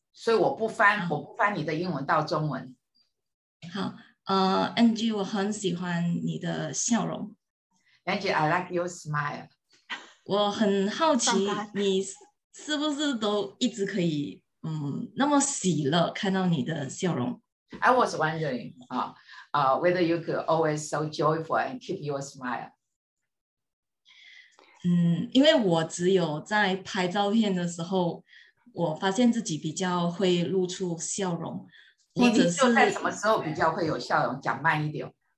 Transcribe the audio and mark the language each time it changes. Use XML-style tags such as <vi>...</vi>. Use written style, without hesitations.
<zh>所以我不翻， 我不翻你的英文到中文。好，Angie， 我很喜欢你的笑容。</zh> <en>Angie, I like your smile.</en> <zh>我很好奇你是不是都一直可以那么喜乐看到你的笑容。</zh> <en>I was wondering, whether you could always so joyful and keep your smile.</en> <zh>因为我只有在拍照片的时候我发现自己比较会露出笑容。或者是你就在什么时候比较会有笑容，讲慢一点。</zh>